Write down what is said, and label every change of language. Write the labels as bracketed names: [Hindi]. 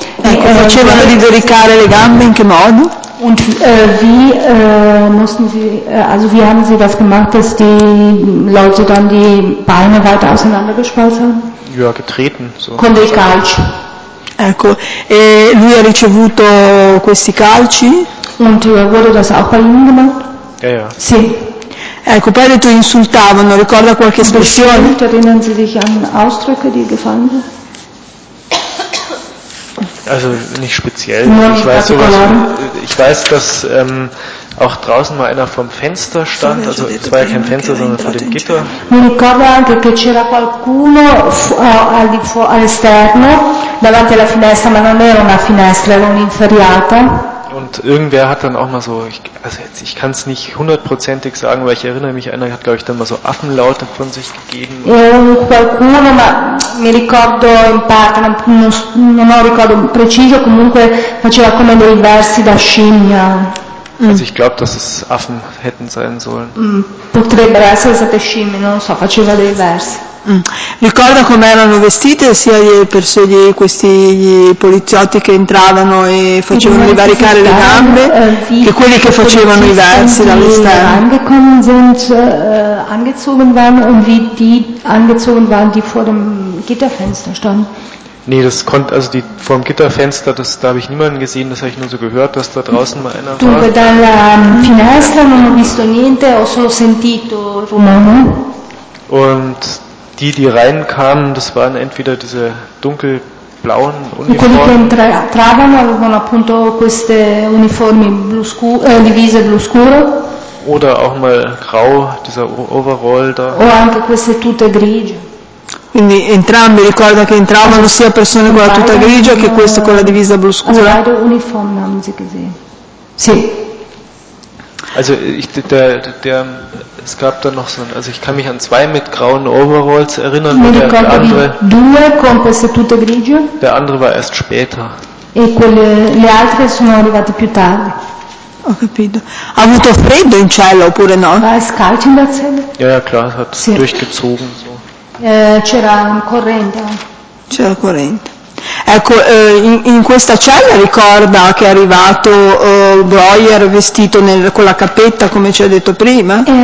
[Italian] E facevano divaricare le gambe in che modo? [German] Und wie mussten Sie, also wie haben Sie das gemacht, dass die Leute dann die Beine weiter auseinandergespalten haben? Ja, getreten. So. [Italian] Con dei calci. Ecco, e lui ha ricevuto questi calci? [German] Und wurde das auch bei Ihnen gemacht? Ja. [Italian] Sì. Ecco, poi ha detto insultavano, ricorda qualche espressione? [German] Erinnern Sie sich an Ausdrücke, die gefallen sind? Also nicht speziell, ich weiß, dass auch draußen mal einer vom Fenster stand, also es war ja kein Fenster, sondern vor dem Gitter. [Italian] Mi ricordo anche che c'era qualcuno all'esterno, davanti alla finestra, ma non era una finestra, era un'inferriata. [German] Und irgendwer hat dann auch mal so, ich kann es nicht hundertprozentig sagen, weil ich erinnere mich, einer hat, glaube ich, dann mal so Affenlaute von sich gegeben. [Italian] Qualcuno, ma mi ricordo in parte, non ho ricordo preciso, comunque faceva come dei versi da scimmia. [German] Also ich glaube, dass es Affen hätten sein sollen. [Italian] Potrebbero essere state scimmie, non so, faceva dei versi. Ricorda come erano vestite sia le persone, questi gli poliziotti che entravano e facevano divaricare le gambe che quelli che facevano i versi dall'esterno. [German] Angekommen sind angezogen waren und wie die angezogen waren, die vor dem Gitterfenster standen. Nee, das konnte, also die vorm Gitterfenster, das, da habe ich niemanden gesehen, das habe ich nur so gehört, dass da draußen mal einer [Italian] dunque, [German] war. [Italian] Dalla finestra non ho visto niente, ho solo sentito rumore. [German] Und die reinkamen, das waren entweder diese dunkelblauen Uniformen. [Italian] Quelli che entravano avevano appunto queste uniformi blu scuro, divise blu scuro. [German] Oder auch mal grau, dieser Overall da. [Italian] O anche queste tutte grigie. Quindi entrambi, ricorda che entravano sia persone con la tuta grigia che queste con la divisa blu scura. [German] Uniform haben sie gesehen. [Italian] Sì. [German] Also ich, der es gab dann noch so, also ich kann mich an zwei mit grauen Overalls erinnern, und der andere war erst später. [Italian] E quelle, le altre sono arrivate più tardi. Ho capito. Ha avuto freddo in cielo oppure no? [German] War es kalt in der Zelle? Ja, ja, klar, hat [Italian] sì. [German] Durchgezogen so. [Italian] C'era corrente. C'era corrente. Ecco, in questa cella ricorda che è arrivato Breuer vestito con la cappetta, come ci ha detto prima?